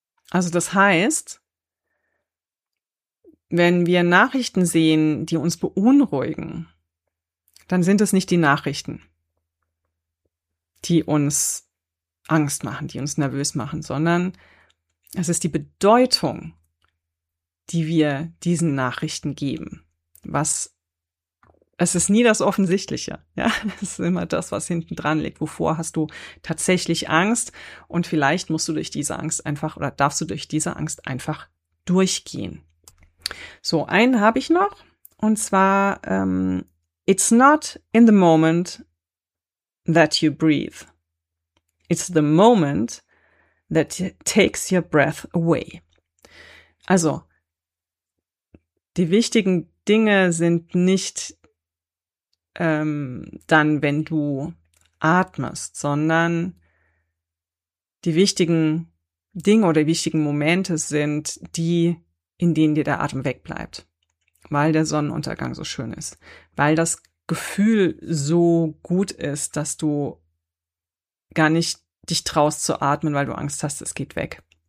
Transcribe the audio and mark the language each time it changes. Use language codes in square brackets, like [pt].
[de] Also das heißt, wenn wir Nachrichten sehen, die uns beunruhigen, dann sind es nicht die Nachrichten, die uns Angst machen, die uns nervös machen, sondern es ist die Bedeutung, die wir diesen Nachrichten geben. Es ist nie das Offensichtliche. Ja, es ist immer das, was hinten dran liegt. Wovor hast du tatsächlich Angst? Und vielleicht musst du durch diese Angst einfach oder darfst du durch diese Angst einfach durchgehen. So, einen habe ich noch. Und zwar, [en] it's not in the moment that you breathe. It's the moment that takes your breath away. [de] Also, die wichtigen Dinge sind nicht dann, wenn du atmest, sondern die wichtigen Dinge oder die wichtigen Momente sind die, in denen dir der Atem wegbleibt, weil der Sonnenuntergang so schön ist, weil das Gefühl so gut ist, dass du gar nicht dich traust zu atmen, weil du Angst hast, es geht weg.